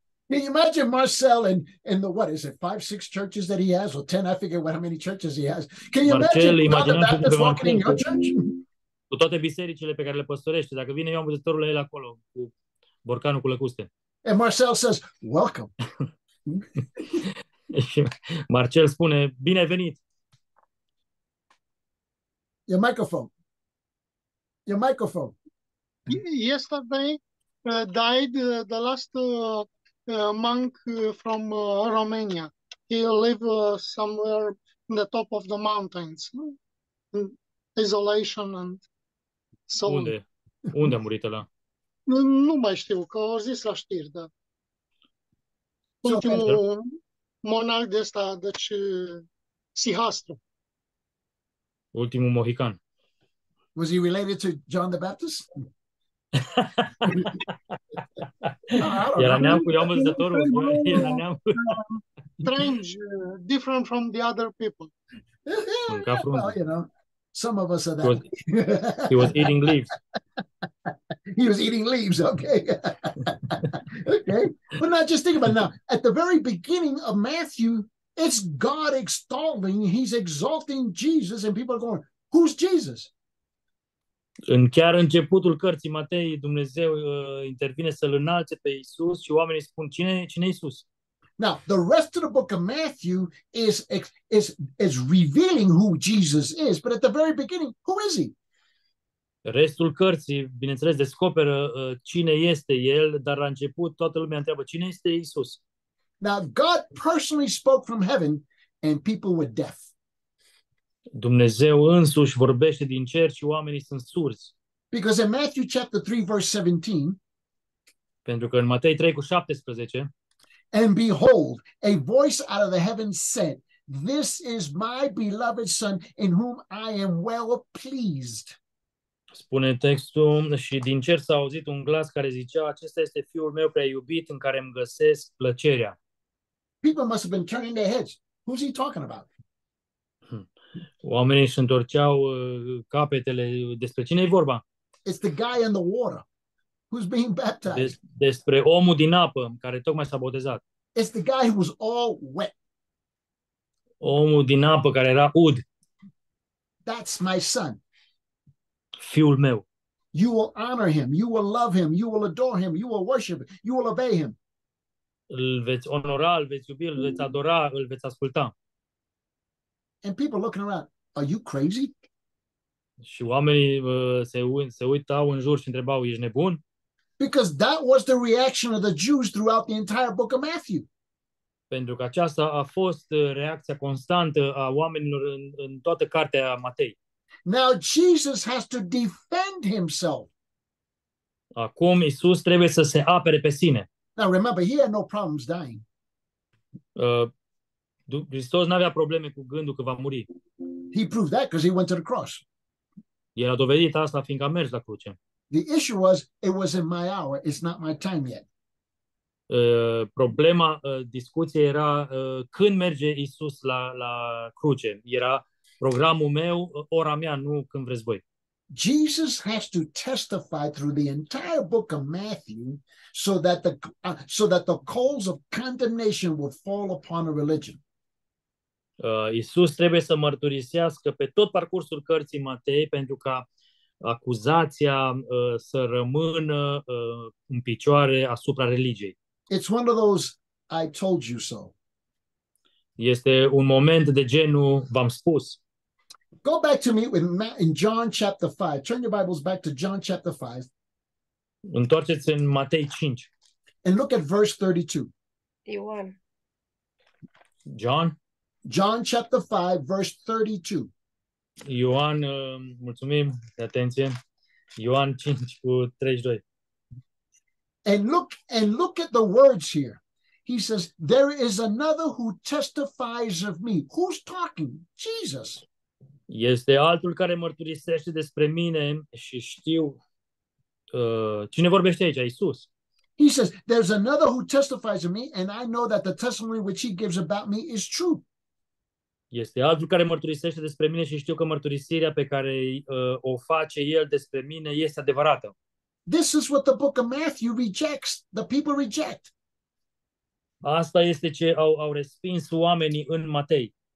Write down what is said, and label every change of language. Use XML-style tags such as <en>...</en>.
<en>Can you imagine Marcel and the, what is it, 5, 6 churches that he has, or 10, I forget how many churches he has. Can you Marcel, imagine John the Baptist walking in your church?</en> <ro>Cu toate bisericile pe care le păstorește, dacă vine Ioan Botezătorul la el acolo, cu borcanul cu lăcuste.</ro> <en>And Marcel says, welcome.</en> <ro>Și Marcel spune, bine ai venit.</ro> <en>Your microphone. Your microphone. Yesterday died the last monk from Romania. He lived somewhere in the top of the mountains. In isolation and so</en> <ro>unde?</ro> <en>On.</en> <ro>Unde a murit ăla? Nu mai știu, că au zis la știri, da. Ultimul monarh de ăsta, deci Sihastru. Ultimul mohican.</ro> <en>Was he related to John the Baptist?</en> <ro>Era</ro> <en>know.</en> <ro>neamcu, eu am văzătorul, era neamcu.</ro> <en>Strange, different from the other people.</en> <ro>Mânca frunze.</ro> <en>Well, you know, some of us are He that. was eating leaves. He was eating leaves, okay. Okay. But now just think about it. Now, at the very beginning of Matthew, it's God extolling, he's exalting Jesus, and people are going, who's Jesus?</en> <ro>În chiar începutul cărții Matei, Dumnezeu intervine să-l înalțe pe Isus și oamenii spun cine e Isus?</ro> <en>Now, the rest of the book of Matthew is revealing who Jesus is, but at the very beginning, who is he?</en> <ro>Restul cărții, bineînțeles, descoperă cine este el, dar la început toată lumea întreabă cine este Isus?</ro> <en>Now, God personally spoke from heaven and people were deaf.</en> <ro>Dumnezeu însuși vorbește din cer și oamenii sunt surzi.</ro> <en>Because in Matthew chapter 3 verse 17,</en> <ro>pentru că în Matei 3 cu 17,</ro> <en>and behold, a voice out of the heavens said, this is my beloved son in whom I am well pleased.</en> <ro>Spune textul și din cer s-a auzit un glas care zicea, acesta este fiul meu prea iubit în care îmi găsesc plăcerea.</ro> <en>People must have been turning their heads. Who's he talking about?</en> <ro>Oamenii își întorceau capetele. Despre cine e vorba?</ro> <en>It's the guy in the water who's being baptized.</en> <ro>Despre omul din apă care tocmai s-a botezat.</ro> <en>It's the guy who was all wet.</en> <ro>Omul din apă care era ud.</ro> <en>That's my son.</en> <ro>Fiul meu.</ro> <en>You will honor him. You will love him. You will adore him. You will worship him. You will obey him.</en> <ro>Îl veți onora, îl veți iubi, îl veți adora, îl veți asculta.</ro> <en>And people looking around, are you crazy?</en> <ro>Și oamenii se uitau în jur și întrebau, ești nebun?</ro> <en>Because that was the reaction of the Jews throughout the entire book of Matthew.</en> <ro>Pentru că aceasta a fost reacția constantă a oamenilor în toată cartea Matei.</ro> <en>Now Jesus has to defend himself.</en> <ro>Acum Isus trebuie să se apere pe sine.</ro> <en>Now remember, he had no problems dying.</en> <ro>Hristos n-avea probleme cu gândul că va muri.</ro> <en>He proved that because he went to the cross.</en> <ro>El a dovedit asta fiindcă a mers la cruce.</ro> <en>The issue was, it was in my hour, it's not my time yet.</en> <ro>Problema, discuția era când merge Isus la cruce. Era programul meu, ora mea, nu când vreți voi.</ro> <en>Jesus has to testify through the entire book of Matthew so that the coals of condemnation will fall upon a religion.</en> <ro>Iisus trebuie să mărturisească pe tot parcursul cărții Matei pentru ca acuzația să rămână în picioare asupra religiei.</ro> <en>It's one of those I told you so.</en> <ro>Este un moment de genul v-am spus.</ro> <en>Go back to me in John chapter 5. Turn your Bibles back to John chapter 5.</en> <ro>Întoarceți în Matei 5.</ro> <en>And look at verse 32.</en> <ro>Ioan.</ro> <en>John. John chapter 5, verse 32.</en> <ro>Ioan, mulțumim de atenție. Ioan 5 cu 32.</ro> <en>And look at the words here. He says, there is another who testifies of me. Who's talking? Jesus.</en> <ro>Este altul care mărturisește despre mine și știu cine vorbește aici, Iisus.</ro> <en>He says, there's another who testifies of me and I know that the testimony which he gives about me is true.</en> <ro>Este altul care mărturisește despre mine și știu că mărturisirea pe care o face el despre mine este adevărată.</ro> <en>This is what the book of Matthew rejects. The people reject.</en> <ro>Asta este ce au respins oamenii în Matei.</ro>